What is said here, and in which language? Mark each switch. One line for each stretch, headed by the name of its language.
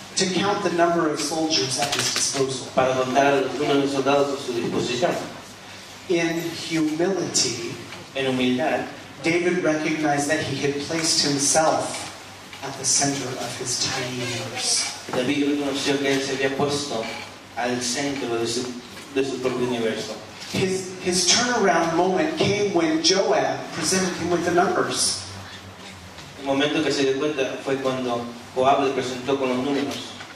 English: To count the number of soldiers at his disposal.
Spanish: Para contar el número de soldados a su disposición.
English: In humility.
Spanish: En humildad,
English: David recognized that he had placed himself at the center of his tiny universe.
Spanish: David reconoció que él se había puesto al centro de su propio universo.
English: His turnaround moment came when Joab presented him with the numbers.
Spanish: El momento que se dio cuenta fue cuando Joab le presentó con los números.